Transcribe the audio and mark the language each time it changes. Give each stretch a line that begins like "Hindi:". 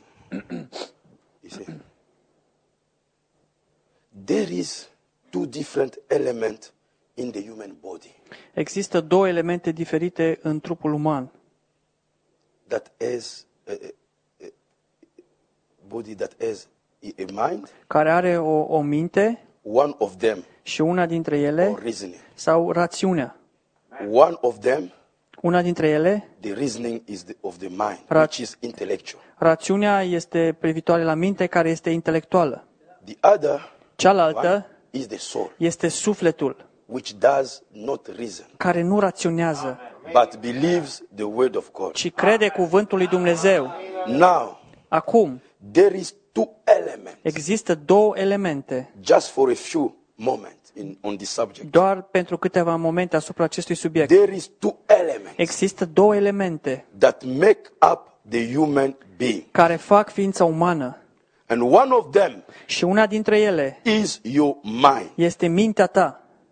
English: You see, there is two different elements in the human body.
Romanian: Există două elemente diferite în trupul uman.
English: That is body that has a mind,
Romanian: care are o minte,
English: one of them,
Romanian: și una dintre ele,
English: or reasoning,
Romanian: sau rațiunea.
English: One of them,
Romanian: una dintre ele,
English: the reasoning is the, of the mind, which is intellectual.
Romanian: Rațiunea este privitoare la minte, care este intelectuală.
English: The other,
Romanian: cealaltă,
English: one is the soul,
Romanian: este sufletul,
English: which does not reason,
Romanian: care nu raționează,
English: but believes the word of God,
Romanian: ci crede cuvântul lui Dumnezeu.
English: Now,
Romanian: acum,
English: there is two elements,
Romanian: există două elemente,
English: just for a few moments in, on this subject,
Romanian: doar pentru câteva momente asupra acestui subiect.
English: There is two elements,
Romanian: există două elemente,
English: that make up the human being,
Romanian: care fac ființa umană.
English: And one of them,
Romanian: și una dintre ele,
English: is your mind,
Romanian: este mintea ta.